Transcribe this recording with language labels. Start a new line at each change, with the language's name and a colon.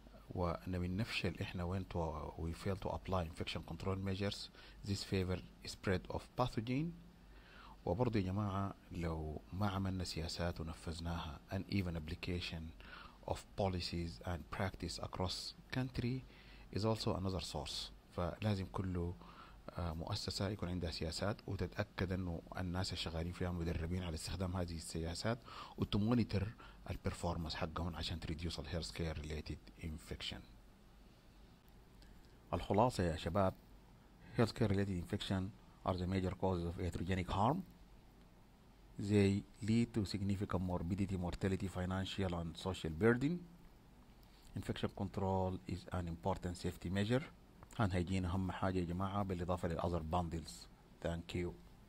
Arabic: ونمن نفشل إحنا
English: when we fail to apply infection control measures, this favor spread of pathogen.
Arabic: وبرضو يا جماعة لو ما عملنا سياسات ونفذناها
English: and even application of policies and practice across country is also another source.
Arabic: فلازم كل مؤسسة يكون عندها سياسات وتتأكد أنه الناس الشغالين فيها مدربين على استخدام هذه السياسات وتمونيتر البرفورمانس حقهم عشان
English: تريديوس الهيلث care related infection.
Arabic: الخلاصة يا شباب,
English: Health care related infection are the major causes of iatrogenic harm. They lead to significant morbidity, mortality, financial and social burden. Infection control is an important safety measure. Hand hygiene
Arabic: أهم حاجة يا جماعة, بالإضافة
English: للأذر bundles. Thank you.